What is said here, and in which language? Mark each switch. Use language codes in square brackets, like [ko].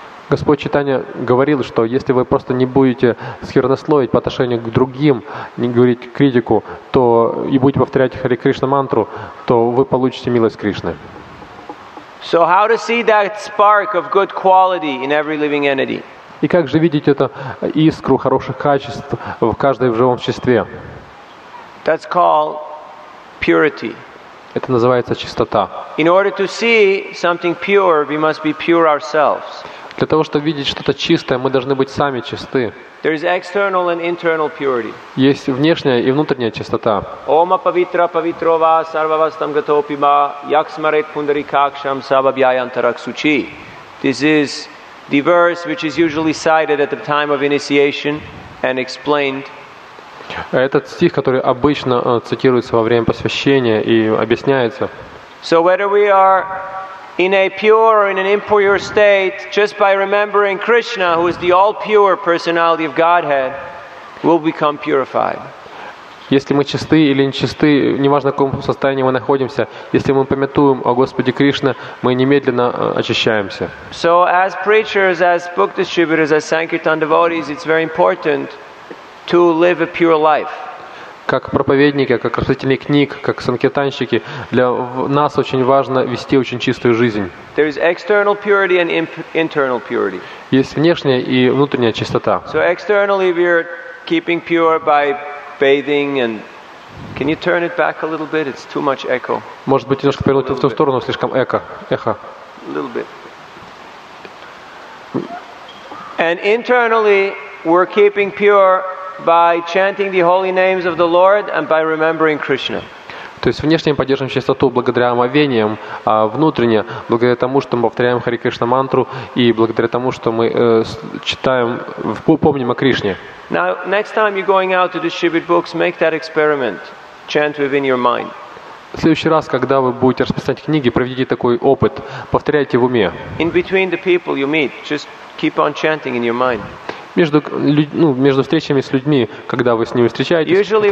[ru] Господь Чайтанья говорил, что если вы просто не будете сквернословить по отношению к другим, не говорить критику, то и будете повторять Хари Кришна мантру, то вы получите милость Кришны. [en] So how to see that spark of good quality in every living entity? [ru] И как же видеть эту искру хороших качеств в каждой живом существе? [en] That's called purity. [ru] Это называется чистота. [en] In order to see something pure, we must be pure ourselves. [ru] Для того, чтобы видеть что-то чистое, мы должны быть сами чисты. [en] There is external and internal purity. [ru] Есть внешняя и внутренняя чистота. [sa] Ома павитра павитрова сарвавастам гатопима яксмарет пундарикаксам сабабьяянтараксучи. [en] This is the verse which is usually cited at the time of initiation and explained. [ru] Этот стих, который обычно цитируется во время посвящения и объясняется. [en] So whether we are in a pure or in an impure state, just by remembering Krishna, who is the all-pure personality of Godhead, will become purified. [ru] Если мы чисты или нечисты, неважно в каком состоянии мы находимся, если мы памятуем о Господе Кришне, мы немедленно очищаемся. [en] So as preachers, as book distributors, as Sankirtan devotees, it's very important to live a pure life. [ru] Как проповедники, как распространители книг, как санкетанщики, для нас очень важно вести очень чистую жизнь. [en] There is external purity and internal purity. [ru] Есть внешняя и внутренняя чистота. [en] So externally we are keeping pure by bathing and... Can you turn it back a little bit? It's too much echo. [ru] Может быть, немножко повернуть в ту сторону, слишком эхо. [en] A little bit. And internally we're keeping pure by chanting the holy names of the Lord and by remembering Krishna. [ru] То есть внешне мы поддерживаем чистоту благодаря омовениям, а внутренне благодаря тому, что мы повторяем Хари Кришна мантру и благодаря тому, что мы читаем, помним о Кришне. [en] Now, next time you're going out to distribute books, make that experiment. Chant within your mind. [ru] В следующий раз, когда вы будете распространять книги, проведите такой опыт, повторяйте в уме. [en] In between the people you meet, just keep on chanting in your mind. [ru] Между встречами с людьми, когда вы с ними встречаетесь,